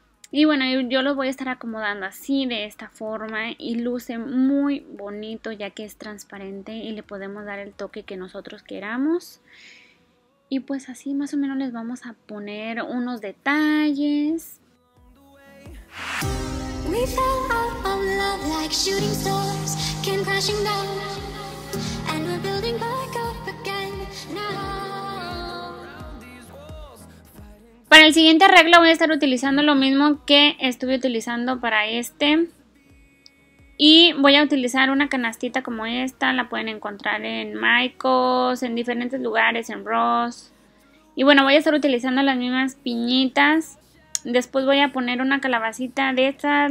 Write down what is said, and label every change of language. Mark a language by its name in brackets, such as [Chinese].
[Spanish] Y bueno, yo los voy a estar acomodando así, de esta forma, y luce muy bonito ya que es transparente y le podemos dar el toque que nosotros queramos. Y pues así más o menos les vamos a poner unos detalles. [English] We fell out of love like shooting stars came crashing down. And we're building back up again now. [Spanish] Para el siguiente arreglo voy a estar utilizando lo mismo que estuve utilizando para este. Y voy a utilizar una canastita como esta. La pueden encontrar en Michaels, en diferentes lugares, en Ross. Y bueno, voy a estar utilizando las mismas piñitas. Después voy a poner una calabacita de estas.